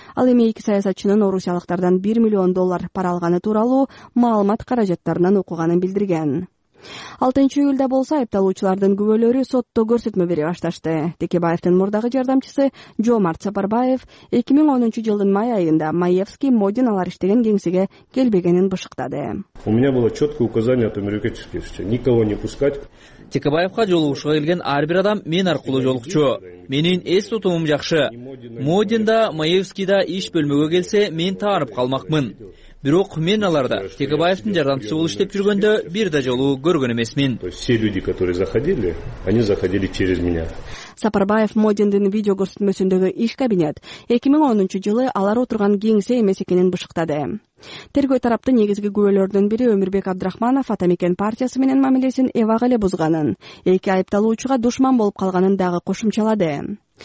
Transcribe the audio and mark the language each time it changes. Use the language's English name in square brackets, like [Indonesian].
[Kyrgyz] Ал эми эки саясатчынын орусиялыктардан 1 миллион доллар пара алганы тууралуу маалымат каражаттарынан окуганын билдирген. 6-июлда болсо айыпталуучулардын күбөлөрү сотто көрсөтмө бере башташты. Текебаевдин мурдагы жардамчысы Жомарт Сапарбаев 2010 жылдын май айында Маевский Модин алар иштеген кеңсеге келбегенин бышыктады. [Russian] У меня было четкое указание от американских властей никого не пускать. [Kyrgyz] Текебаевга жолугушуга келген ар бир адам мен аркылуу жолукчу. Менин эс тутумум жакшы. Модин да Маевский да иш бөлмөгө келсе мен таарып калмакмын. Бирок мен аларда Текебаевдин жардамчысы болуп иштеп жүргөндө бир да жолу көргөн эмесмин. [Russian] Все люди, которые заходили, они заходили через меня. [Kyrgyz] Сапарбаев Модиндин видео көрсөтмөсүндөгү иш кабинет 2010 жылы алар отурган кеңсе эмес экенин бышыктады. Тергөө тараптын негизги күбөлөрүнүн бири Өмүрбек Абдрахманов Атамекен партиясы менен мамилесин эбак эле бузганын, эки айыпталуучуга душман болуп калганын дагы кошумчалады.